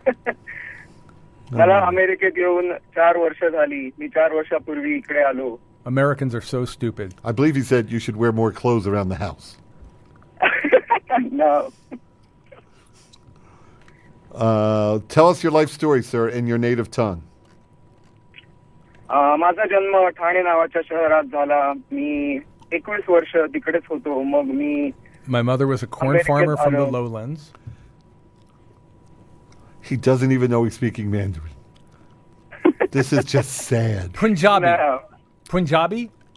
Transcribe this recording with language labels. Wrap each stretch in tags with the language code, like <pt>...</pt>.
<mr>मला अमेरिकेत येऊन 4 वर्ष झाली. मी 4 वर्षांपूर्वी इकडे आलो.</mr> <en>Americans are so stupid. I believe he said you should wear more clothes around the house. No. Tell us your life story, sir, in your native tongue.</en> <mr>माझा जन्म ठाणे नावाच्या शहरात झाला. मी 21 वर्ष तिकडेच होतो. मग मी</mr> <en>My mother was a corn farmer from the lowlands. He doesn't even know he's speaking Mandarin. This is just sad. Punjabi. No. Punjabi? No.</en>